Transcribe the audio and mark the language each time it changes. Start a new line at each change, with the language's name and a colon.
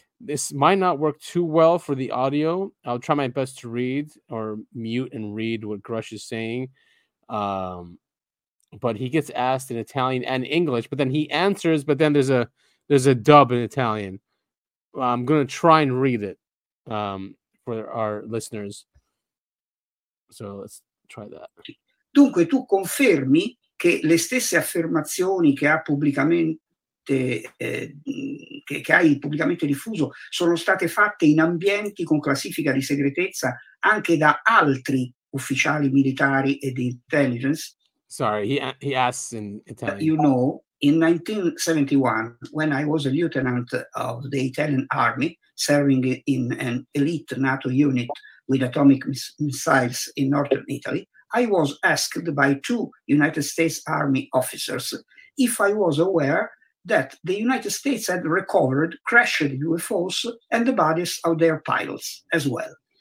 English: This might not work too well for the audio. I'll try my best to read or mute and read what Grush is saying. But he gets asked in Italian and English, but then he answers, but then there's a dub in Italian. I'm going to try and read it for our listeners. So, let's try that.
Italian: Dunque, tu confermi che le stesse affermazioni che ha pubblicamente che hai pubblicamente diffuso sono state fatte in ambienti con classifica di segretezza anche da altri ufficiali militari e di intelligence?
English: Sorry, he asks in Italian. You know, in 1971, when I was a lieutenant of the Italian army, serving in an elite NATO unit with atomic missiles in northern Italy, I was asked by two United States Army officers if I was aware that the United States had recovered crashed UFOs and the bodies of their pilots as well.